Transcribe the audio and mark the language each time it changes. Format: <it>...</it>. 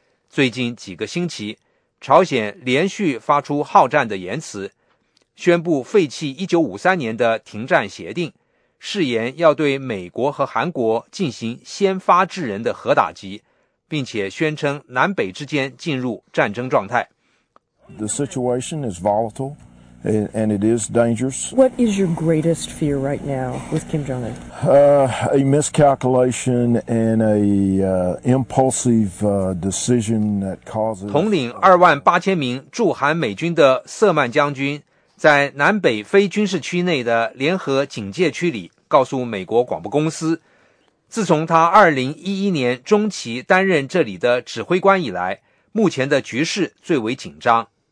<zh>最近几个星期，朝鲜连续发出好战的言辞，宣布废弃1953年的停战协定，誓言要对美国和韩国进行先发制人的核打击，并且宣称南北之间进入战争状态。</zh> <en>The situation is volatile and it is dangerous. What is your greatest fear right now with Kim Jong-un? A miscalculation and a impulsive decision that causes.</en> <zh>统领28000名驻韩美军的瑟曼将军在南北非军事区内的联合警戒区里告诉美国广播公司，自从他2011年中期担任这里的指挥官以来，目前的局势最为紧张。</zh>